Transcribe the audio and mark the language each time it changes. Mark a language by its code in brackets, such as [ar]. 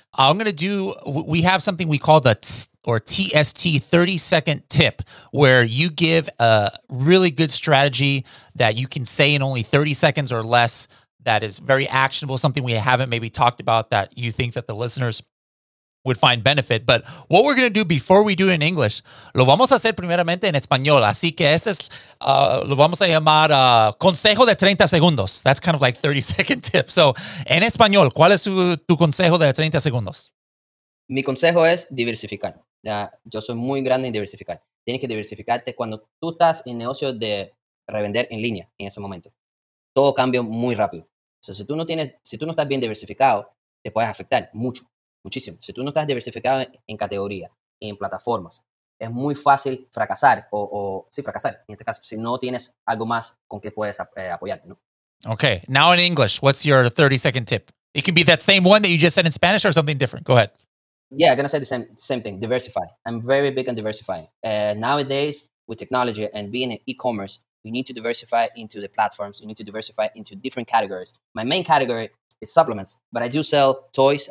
[en] I'm going to do, we have something we call the TST 30-second tip, where you give a really good strategy that you can say in only 30 seconds or less that is very actionable, something we haven't maybe talked about that you think that the listeners would find benefit. But what we're going to do before we do it in English, [es] lo vamos a hacer primeramente en español. Así que este es, lo vamos a llamar consejo de 30 segundos. [en] That's kind of like 30-second tip. So [es] en español, ¿cuál es tu consejo de 30 segundos? Mi consejo es diversificar. Yo soy muy grande en diversificar. Tienes que diversificarte cuando tú estás en negocio de revender en línea en ese momento. Todo cambia muy rápido. So, si tú no estás bien diversificado, te puedes afectar mucho, muchísimo. Si tú no estás diversificado en categoría, en plataformas, es muy fácil fracasar fracasar en este caso, si no tienes algo más con que puedes apoyarte, ¿no? [en] Okay, now in English, what's your 30-second tip? It can be that same one that you just said in Spanish or something different. Go ahead. Yeah, I'm going to say the same thing, diversify. I'm very big on diversifying. Nowadays, with technology and being in e-commerce, you need to diversify into the platforms. You need to diversify into different categories. My main category is supplements, but I do sell toys.